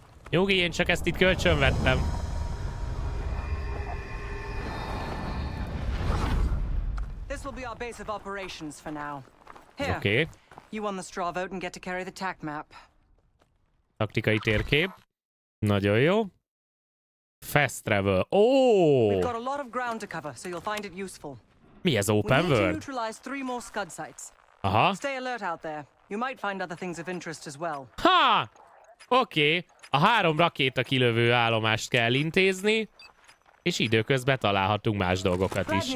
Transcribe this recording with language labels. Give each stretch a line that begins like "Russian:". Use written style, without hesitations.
Hungarian: Jogi, én csak ezt itt kölcsön vettem.
English: This will be our base of operations for now. Here. Okay. You won the straw vote and get to carry the tack map.
Hungarian: Taktikai térkép. Nagyon jó.
English: Fast travel.
Hungarian: Ó!
English: We've got a lot of ground to cover, so you'll find it useful.
Hungarian: Mi ez,
English: open world? We need to neutralize three more scud sites. Aha. Stay alert out there. You might find other things of interest as well.
Hungarian: Ha! Oké. A három rakéta kilövő állomást kell intézni, és időközben találhatunk más dolgokat is.